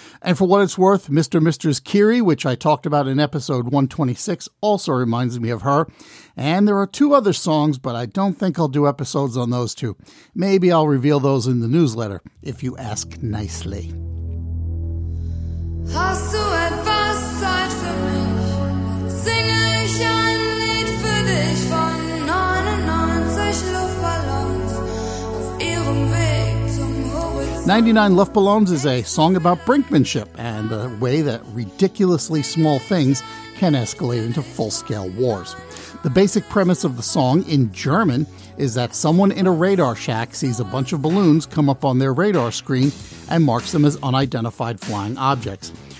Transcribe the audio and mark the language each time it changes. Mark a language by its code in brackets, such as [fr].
[en] And for what it's worth, Mr. Mistress Kiri, which I talked about in episode 126, also reminds me of her. And there are two other songs, but I don't think I'll do episodes on those two. Maybe I'll reveal those in the newsletter, if you ask nicely. [de] Hast du etwas Zeit für mich? Singe ich ein Lied für dich von 99 Luftballons auf ihrem Weg zum Horizont. [en] 99 Luftballons is a song about brinkmanship and the way that ridiculously small things can escalate into full-scale wars. The basic premise of the song, in German, is that someone in a radar shack sees a bunch of balloons come up on their radar screen and marks them as unidentified flying objects.